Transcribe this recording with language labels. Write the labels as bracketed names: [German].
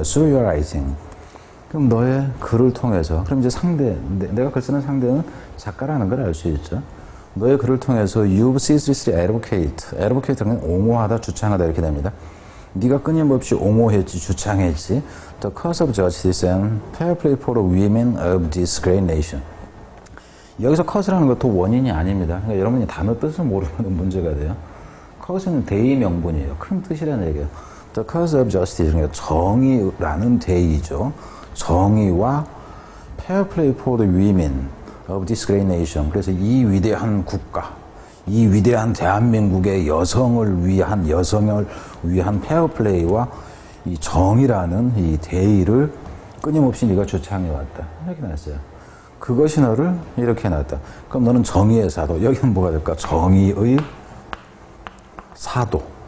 [English] So you are writing. [Korean] 그럼 너의 글을 통해서 그럼 이제 상대, 내가 글 쓰는 상대는 작가라는 걸 알 수 있죠. 너의 글을 통해서 [English] you've ceaselessly advocate. [Korean] advocate는 옹호하다, 주창하다 이렇게 됩니다. 네가 끊임없이 옹호했지, 주창했지. [English] The cause of justice and fair play for the women of this great nation. [Korean] 여기서 cause라는 것도 원인이 아닙니다. 그러니까 여러분이 단어 뜻을 모르면 문제가 돼요. cause는 대의명분이에요. 큰 뜻이라는 얘기예요. [English] The cause of justice, [Korean] 그러니까 정의라는 대의죠. 정의와 [English] fair play for the women of this great nation. [Korean] 그래서 이 위대한 국가, 이 위대한 대한민국의 여성을 위한 fair play와 이 정의라는 이 대의를 끊임없이 네가 주창해왔다. 이렇게 나왔어요. 그것이 너를 이렇게 해놨다. 그럼 너는 정의의 사도. 여기는 뭐가 될까? 정의의 사도.